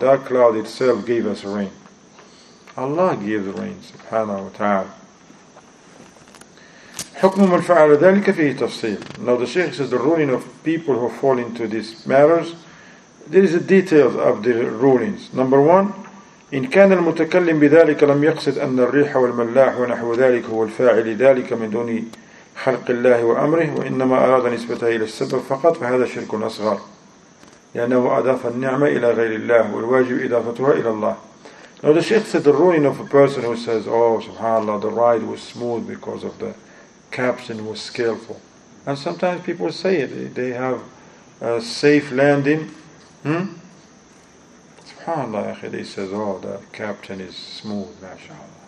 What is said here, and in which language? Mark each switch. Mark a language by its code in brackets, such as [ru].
[en] That cloud itself gave us rain. Allah gives rain subhanahu wa ta'ala. [ar] حكم من فعل ذلك فيه تفصيل. [en] Now the Shaykh says the ruling of people who fall into these matters. There is a details of the rulings. Number one, [ar] إن كان المتكلم بذلك لم يقصد أن الريح والملاح ونحو ذلك هو الفاعل ذلك من دون خلق الله وأمره وإنما أراد نسبته إلى السبب فقط فهذا شرك أصغر لأنه أضاف النعمة إلى غير الله والواجب إضافتها إلى الله. [en] Now the Shaykh said the ruling of a person who says, oh, subhanAllah, the ride was smooth because of the captain was skillful. And sometimes people say it. They have a safe landing. SubhanAllah, he says, oh, the captain is smooth, mashallah.